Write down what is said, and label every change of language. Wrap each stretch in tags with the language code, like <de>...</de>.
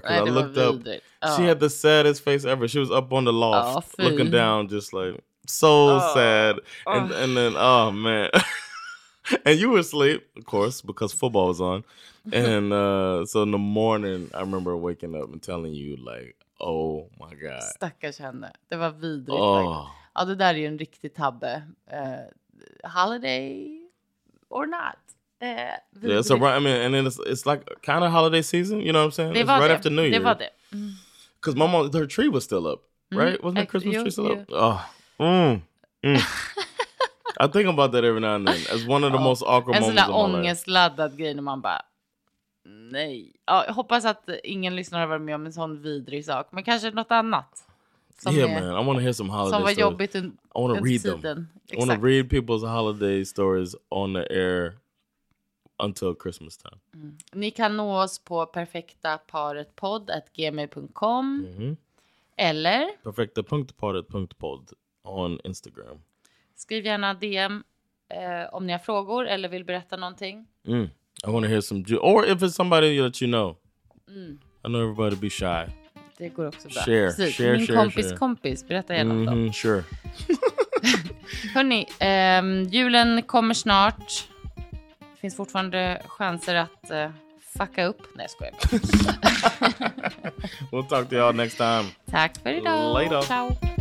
<en>Because I looked up, she had the saddest face ever. She was up on the loft, looking down, just like, so sad. And then, oh man. And you were asleep, of course, because football was on. And so in the morning, I remember waking up and telling you, like, oh my god.</en> <sv>Stackars henne. Det var vidrigt.</sv> <en>Oh.</en> <sv>Like, ja, det där är ju en riktig tabbe.</sv> <en>Holiday or not. Yeah, so right, I mean, and then it's like kind of holiday season, you know what I'm saying? It's right after New Year. Because my mom, her tree was still up, right? Wasn't the Christmas tree still up? Oh, I think about that every now and then. It's one of the most awkward moments of my life.</en> <sv>En sån där ångestladdad grej när man bara, nej. Jag hoppas att ingen lyssnare har varit med om en sån vidrig sak. Men kanske något annat.</sv> <en>Man, I want to hear some holiday stories.</en> <sv>Som var jobbigt under tiden.</sv> <en>I want to read them. I want to read people's holiday stories on the air. Until Christmas time. Mm.</en> <sv>Ni kan nå oss på perfektaparetpod@gmail.com eller</sv> <en>perfektaparetpod on Instagram.</en> <sv>Skriv gärna DM om ni har frågor eller vill berätta någonting.</sv> <en>I want to hear some or if it's somebody that you know. I know everybody be shy.</en> <sv>Det går också bra.</sv> <en>Share, share,</en> <sv>min</sv> <en>share,</en> <sv>kompis</sv> <en>share.</en> <sv>Kompis berätta gärna om dem.</sv> <en>Sure.</en> <sv>Hörrni, julen kommer snart. Det finns fortfarande chanser att fucka upp. Nej, skojar jag.</sv> <en>We'll talk to y'all next time.</en> <sv>Tack för idag.</sv> <en>Later.</en> <it>Ciao.</it>